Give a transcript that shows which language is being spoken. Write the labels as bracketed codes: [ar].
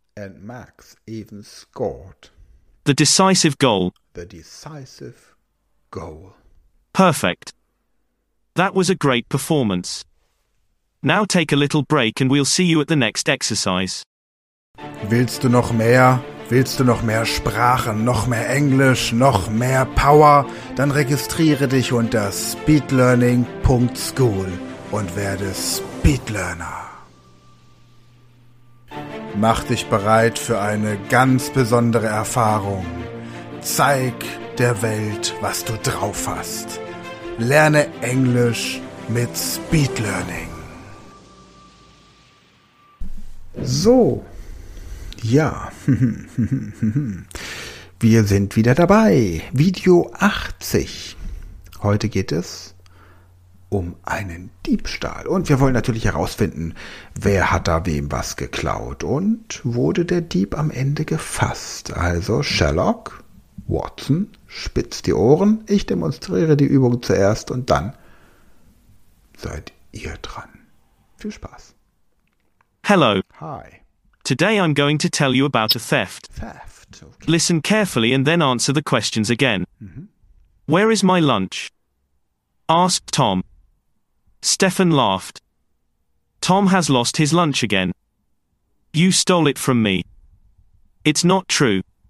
[en] And Max even scored. The decisive goal. The decisive goal. Perfect. That was a great performance. Now take a little break and we'll see you at the next exercise. [de] Willst du noch mehr? Willst du noch mehr Sprachen, noch mehr Englisch, noch mehr Power? Dann registriere dich unter speedlearning.school und werde Speedlearner. Mach dich bereit für eine ganz besondere Erfahrung. Zeig der Welt, was du drauf hast. Lerne Englisch mit Speedlearning. So, ja, wir sind wieder dabei. Video 80. Heute geht es um einen Diebstahl. Und wir wollen natürlich herausfinden, wer hat da wem was geklaut und wurde der Dieb am Ende gefasst. Also Sherlock, Watson, spitzt die Ohren. Ich demonstriere die Übung zuerst und dann seid ihr dran. Viel Spaß. [en] Hello. Hi. Today I'm going to tell you about a theft. Theft. Okay. Listen carefully and then answer the questions again. Mm-hmm. Where is my lunch? Asked Tom. Stefan laughed. Tom has lost his lunch again. You stole it from me. It's not true.